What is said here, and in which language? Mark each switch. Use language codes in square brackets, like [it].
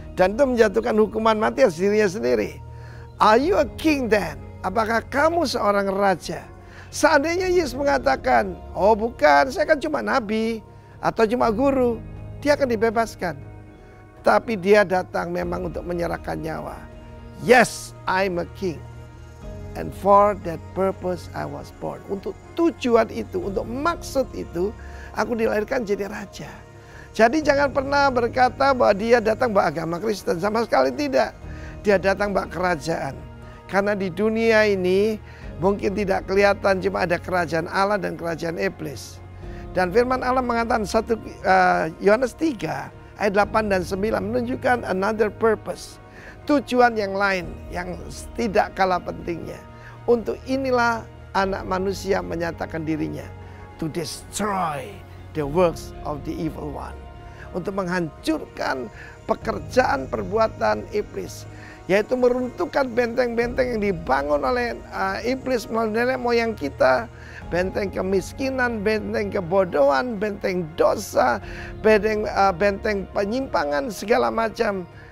[id] Dan itu menjatuhkan hukuman mati atas dirinya sendiri. [en] Are you a king then? [id] Apakah kamu seorang raja? Seandainya Yesus mengatakan, oh bukan, saya kan cuma nabi. Atau cuma guru, dia akan dibebaskan. Tapi dia datang memang untuk menyerahkan nyawa. [en] Yes, I'm a king. And for that purpose I was born. [id] Untuk tujuan itu, untuk maksud itu, aku dilahirkan jadi raja. Jadi jangan pernah berkata bahwa dia datang bawa agama Kristen. Sama sekali tidak. Dia datang bawa kerajaan. Karena di dunia ini mungkin tidak kelihatan, cuma ada kerajaan Allah dan kerajaan iblis. Dan firman Allah mengatakan 1 Yohanes 3 ayat 8 dan 9 menunjukkan [en] another purpose. [id] Tujuan yang lain yang tidak kalah pentingnya. Untuk inilah anak manusia menyatakan dirinya. [en] To destroy the works of the evil one. [id] Untuk menghancurkan pekerjaan perbuatan iblis. Yaitu meruntuhkan benteng-benteng yang dibangun oleh iblis melalui nenek moyang kita. Benteng kemiskinan, benteng kebodohan, benteng dosa, benteng penyimpangan, segala macam.